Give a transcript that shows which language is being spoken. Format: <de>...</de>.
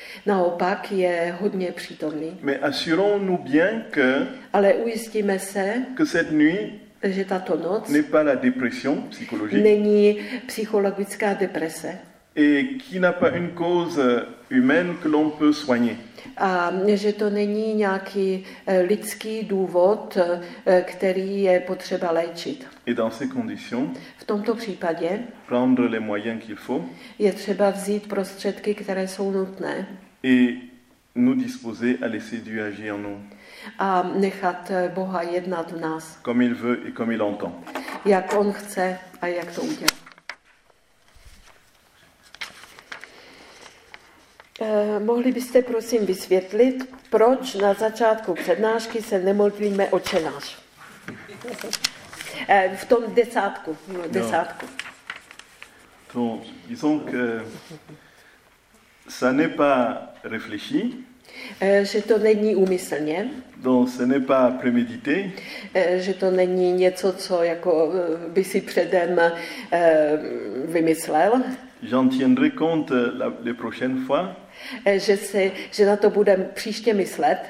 <cs>Naopak je hodně přítomný.</cs> <fr>Mais assurons-nous bien que.</fr> <cs>Ale ujistíme se.</cs> <fr>Que cette nuit.</fr> <cs>Že tato noc.</cs> <fr>N'est pas la dépression psychologique.</fr> <cs>Není psychologická deprese.</cs> <fr>Et qui n'a pas une cause humaine que l'on peut soigner.</fr> <cs>A že to není nějaký lidský důvod, který je potřeba léčit.</cs> <fr>Et dans ces conditions,</fr> <cs>v tomto případě</cs> <fr>prendre les moyens qu'il faut,</fr> <cs>je třeba vzít prostředky, které jsou nutné.</cs> <fr>Et nous disposer à laisser Dieu agir en nous.</fr> <cs>A nechat Boha jednat v nás.</cs> <fr>Comme il veut et comme il entend.</fr> <cs>Jak on chce a jak to udělá. Mohli byste prosím vysvětlit, proč na začátku přednášky se nemodlíme Otče náš? V tom desátku. No.</cs> <fr>Donc, disons que ça n'est pas réfléchi.</fr> <cs>Že to není úmyslně.</cs> <fr>Donc, ce n'est pas prémédité.</fr> <cs>Že to není něco, co jako by si předem vymyslel.</cs> <fr>J'en tiendrai compte les prochaines fois.</fr> <cs>že na to budeme příště myslet.</cs>